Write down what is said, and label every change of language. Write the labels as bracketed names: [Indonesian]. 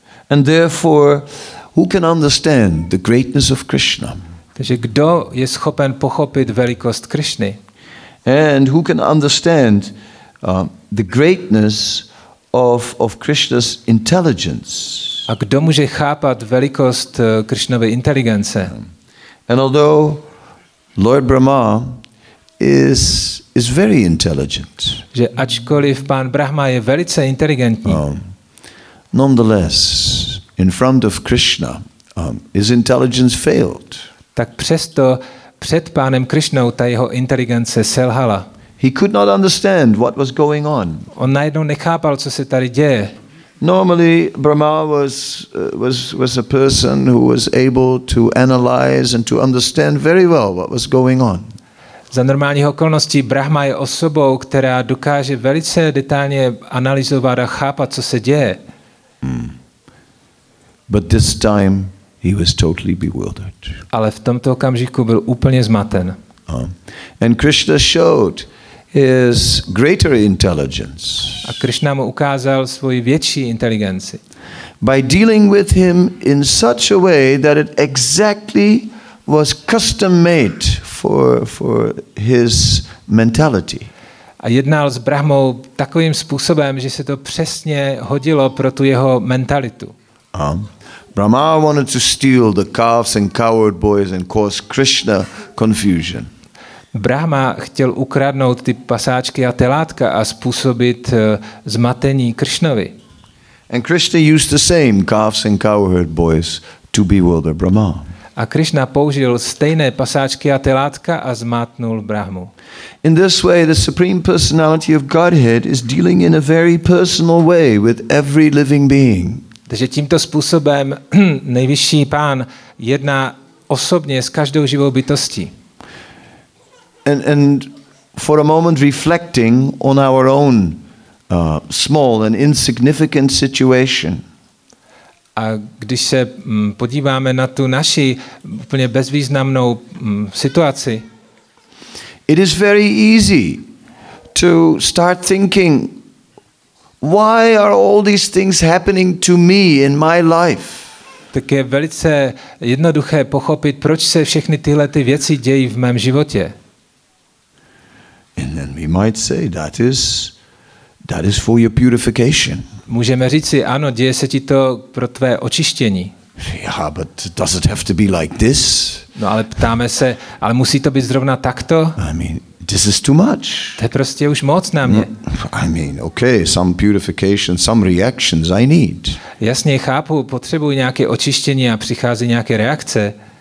[English] And therefore, who can understand the greatness of Krishna? [Czech] Takže kdo je schopen pochopit velikost Krishny? [English] And who can understand the greatness of Krishna's intelligence? [Czech] A kdo může chápat velikost Krishnovy inteligence? [English] And although Lord Brahma is very intelligent, [Czech] že ačkoliv pán Brahma je velice inteligentní, [English] nonetheless, in front of Krishna, his intelligence failed. [Czech] Tak přesto před pánem Krishnou ta jeho inteligence selhala. [English] He could not understand what was going on. [Czech] On najednou nechápal, co se tady děje. [English] Normally Brahma was a person who was able to analyze and to understand very well what was going on. [Czech] Za normálních okolností Brahma je osobou, která dokáže velice detailně analyzovat a chápat, co se děje. [English] But this time he was totally bewildered. [Czech] Ale v tomto okamžiku byl úplně zmaten. [English] And Krishna showed his greater intelligence. [Czech] A Krishna mu ukázal svoji větší inteligenci. [English] By dealing with him in such a way that it exactly was custom made for his mentality. [Czech] A jednal s Brahmou takovým způsobem, že se to přesně hodilo pro tu jeho mentalitu. [English] Brahma wanted to steal the calves and coward boys and cause Krishna confusion. [Czech] Brahma chtěl ukradnout ty pasáčky a telátka a způsobit zmatení Krishnovi. [English] And Krishna used the same calves and cowherd boys to bewilder Brahma. [Czech] A Krishna použil stejné pasáčky a telátka a zmátnul Brahmu. [English] In this way the supreme personality of Godhead is dealing in a very personal way with every living being. [Czech] Takže tímto způsobem nejvyšší pán jedná osobně s každou živou bytostí. [English] And for a moment reflecting on our own small and insignificant situation. [Czech] A když se podíváme na tu naši úplně bezvýznamnou situaci. [English] It is very easy to start thinking, why are all these things happening to me in my life? [Czech] Tak je velice jednoduché pochopit, proč se všechny tyhle ty věci dějí v mém životě. [English] And then we might say that is for your purification. [Czech] Můžeme říci, ano, děje se ti to pro tvé očištění. [English] Yeah, but does it have to be like this? [Czech] No, ale ptáme se, ale musí to být zrovna takto? [English] I mean, this is too much. [Czech] To je prostě už moc na mě. [English] I mean, okay, some purification, some reactions I need. [Czech] Jasně, chápu, potřebuji nějaké očištění a přichází nějaké reakce.